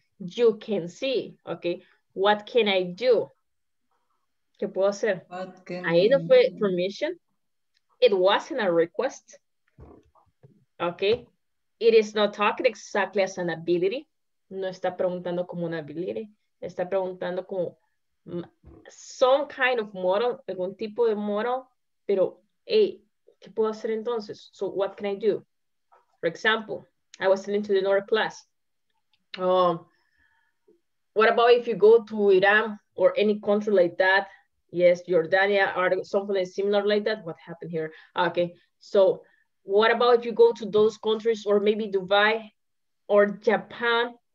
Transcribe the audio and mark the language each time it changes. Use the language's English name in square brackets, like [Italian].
[English] You can see, okay, what can I do? [Spanish] ¿Qué puedo hacer? [English] What can I need for permission? It wasn't a request, okay. It is not talking exactly as an ability. [Spanish] No está preguntando como una ability. Está preguntando como [English] some kind of model, [Spanish] algún tipo de model, pero, hey, ¿qué puedo hacer entonces? [English] So what can I do? For example, I was telling to the North class, what about if you go to Iran or any country like that? Yes, Jordania or something similar like that. What happened here? Okay, so what about if you go to those countries or maybe Dubai or Japan?